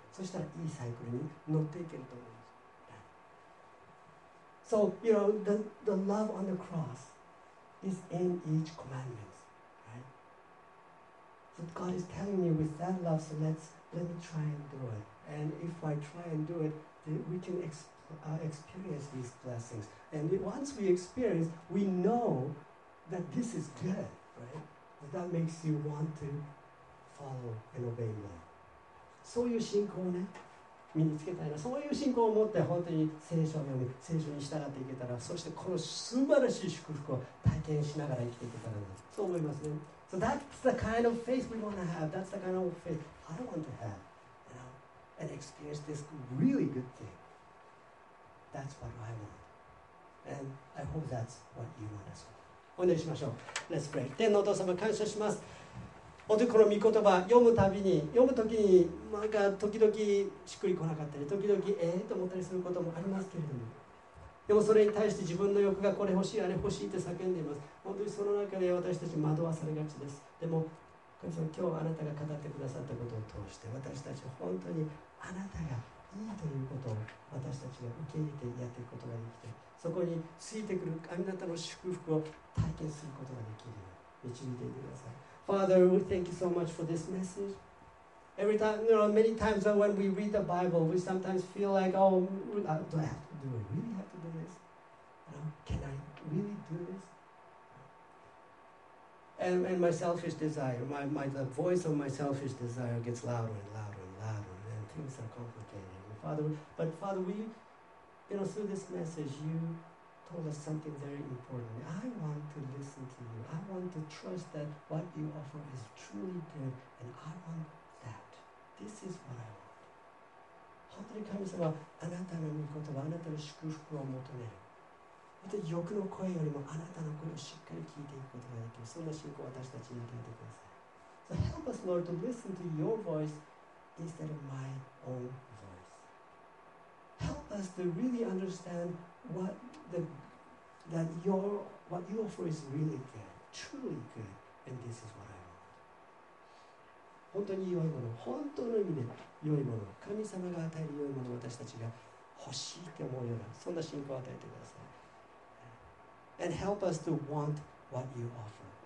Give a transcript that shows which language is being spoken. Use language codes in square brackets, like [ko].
[ja] そしたらいいサイクルに乗っていけると思います。 [en] So, you know, the love on the cross is in each commandment, right? But God is telling me with that love, so let me try and do it. And if I try and do it, we can experience these blessings. And once we experience, we know that this is good, right? That makes you want to follow and obey more. [ja] そういう信仰をね、身につけたいな、そういう信仰を持って本当に聖書を読み、聖書に従っていけたら、そしてこの素晴らしい祝福を体験しながら生きていけたらな、そう思いますね。 [en] So that's the kind of faith we want to have. That's the kind of faith I want to have, you know, and experience this really good thing. That's what I want. And I hope that's what you want as well. [ja] お願いしましょう。 [en] Let's pray. [ja] 天のお父様、感謝します。本当にこの御言葉読むたびに、読むときに、なんか時々しっくりこなかったり、時々と思ったりすることもありますけれども、でもそれに対して自分の欲がこれ欲しい、あれ欲しいって叫んでいます。本当にその中で私たち惑わされがちです。でも神様、今日あなたが語ってくださったことを通して、私たち本当にあなたがいいということを私たちが受け入れてやっていくことができて、そこについてくるあなたの祝福を体験することができるように導いていてください。 [en] Father, we thank you so much for this message. Every time, you know, many times when we read the Bible, we sometimes feel like, oh, do I have to do it? Really have to do this? You know, can I really do this? And my selfish desire, the voice of my selfish desire gets louder and louder and louder, and things are complicated. But Father, we, you know, through this message, you told us something very important. I want to listen to you. I want to trust that what you offer is truly good, and I want that. This is what I want. [ja] 本当に神様、あなたの御言葉、あなたの祝福を求める。本当に欲の声よりもあなたの声をしっかり聞いていくことができる。そんな信仰を私たちに与えてください。 [en] So help us, Lord, to listen to your voice instead of my own voice. Help us to really understand what you offer is really good, truly good, and this is what I want. [ja] 本当に良いもの、本当の意味で良いもの、神様が与える良いものを私たちが欲しいって思うような、そんな信仰を与えてください。 [en] And help us to want what you offer.